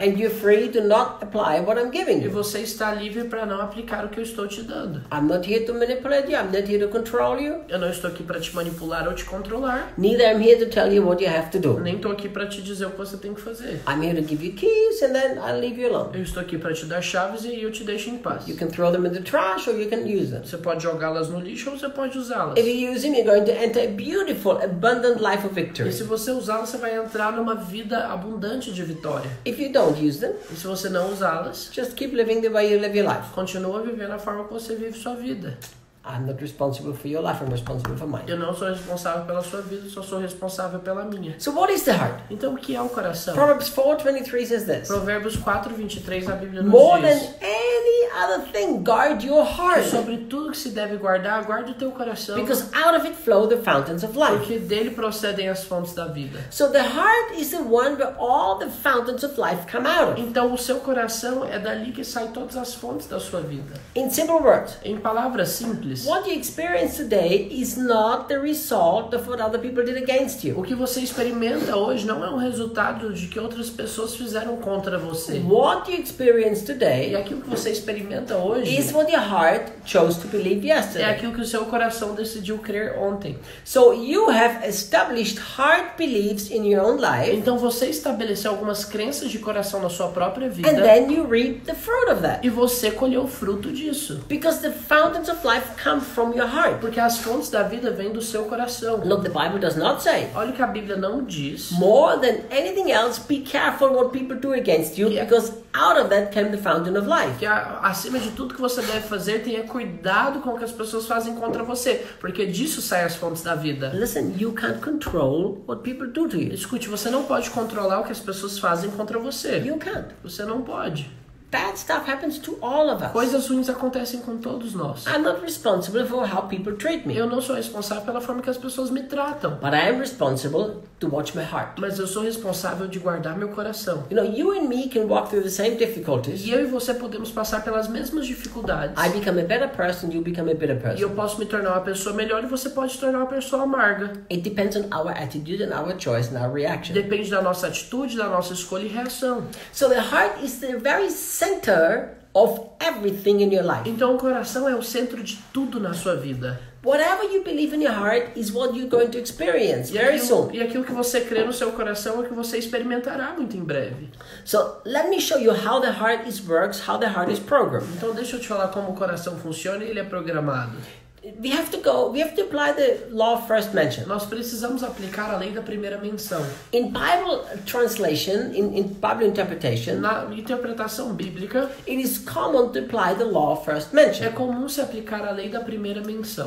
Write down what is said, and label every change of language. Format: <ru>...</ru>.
<en>And you're free to not apply what I'm giving you.</en> <pt>E você está livre para não aplicar o que eu estou te dando.</pt> <en>I'm not here to manipulate you, I'm not here to control.</en> <pt>Eu não estou aqui para te manipular ou te controlar.</pt> <en>Neither am here to tell you what you have to do.</en> <pt>Nem estou aqui para te dizer o que você tem que fazer.</pt> <en>I'm here to give you keys and then I leave you alone.</en> <pt>Eu estou aqui para te dar chaves e eu te deixo em paz.</pt> <en>You can throw them in the trash or you can use them.</en> <pt>Você pode jogá-las no lixo ou você pode usá-las.</pt> <en>If you use them, you're going to enter a beautiful, abundant life of victory.</en> <pt>E se você usá-las, você vai entrar numa vida abundante de vitória.</pt> <en>If you don't use them,</en> <pt>e se você não usá-las,</pt> <en>just keep living the way you live your life.</en> <pt>Continua vivendo a forma como você vive sua vida.</pt> <en>I'm not responsible for your life, I'm responsible for mine.</en> <pt>Eu não sou responsável pela sua vida, só sou responsável pela minha.</pt> <en>So what is the heart?</en> <pt>Então o que é o coração?</pt> <en>Proverbs 4:23 says this.</en> <pt>Provérbios 4:23 a Bíblia nos diz.</pt> <en>More than any other thing, guard your heart.</en> <pt>Sobre tudo que se deve guardar, guarde o teu coração.</pt> <en>Because out of it flow the fountains of life.</en> <pt>Porque dele procedem as fontes da vida.</pt> <en>So the heart is the one where all the fountains of life come out.</en> <pt>Então o seu coração é dali que saem todas as fontes da sua vida.</pt> <en>In simple words.</en> <pt>Em palavras simples.</pt> <en>What you experience today is not the result of what other people did against you.</en> <pt>O que você experimenta hoje não é um resultado de que outras pessoas fizeram contra você.</pt> <en>What you experience today,</en> <pt>e aquilo que você experimenta hoje,</pt> <en>is what your heart chose to believe yesterday.</en> <pt>É aquilo que o seu coração decidiu crer ontem.</pt> <en>So you have established heart beliefs in your own life.</en> <pt>Então você estabeleceu algumas crenças de coração na sua própria vida.</pt> <en>And then you reap the fruit of that.</en> <pt>E você colheu o fruto disso.</pt> <en>Because the fountains of life come from your heart.</en> <pt>Porque as fontes da vida vêm do seu coração.</pt> <en>Look, the Bible does not say.</en> <pt>Olha o que a Bíblia não diz.</pt> <en>More than anything else, be careful what people do against you, because out of that came the fountain of life.</en> <pt>Que acima de tudo que você deve fazer, tenha cuidado com o que as pessoas fazem contra você, porque disso saem as fontes da vida.</pt> <en>Listen, you can't control what people do to you.</en> <pt>Escute, você não pode controlar o que as pessoas fazem contra você.</pt> <en>You can't.</en> <pt>Você não pode.</pt> <en>Bad stuff happens to all of us.</en> <pt>Coisas ruins acontecem com todos nós.</pt> <en>I'm not responsible for how people treat me.</en> <pt>Eu não sou responsável pela forma que as pessoas me tratam.</pt> <en>But I am responsible to watch my heart.</en> <pt>Mas eu sou responsável de guardar meu coração.</pt> <en>You know, you and me can walk through the same difficulties.</en> <pt>E eu e você podemos passar pelas mesmas dificuldades.</pt> <en>I become a better person, you become a bitter person.</en> <pt>E eu posso me tornar uma pessoa melhor e você pode se tornar uma pessoa amarga.</pt> <en>It depends on our attitude and our choice and our reaction.</en> <pt>Depende da nossa atitude, da nossa escolha e reação.</pt> <en>So the heart is the very center of everything in your life.</en> <pt>Então o coração é o centro de tudo na sua vida.</pt> <en>Whatever you believe in your heart is what you're going to experience very soon.</en> <pt>E aquilo que você crê no seu coração é o que você experimentará muito em breve.</pt> <en>So let me show you how the heart works, how the heart is programmed.</en> <pt>Então deixa eu te falar como o coração funciona e ele é programado.</pt> <en>We have to go. We have to apply the law of first mention.</en> <pt>Nós precisamos aplicar a lei da primeira menção.</pt> <en>In Bible translation, in Bible interpretation,</en> <pt>na interpretação bíblica,</pt> <en>it is common to apply the law of first mention.</en> <pt>É comum se aplicar a lei da primeira menção.</pt>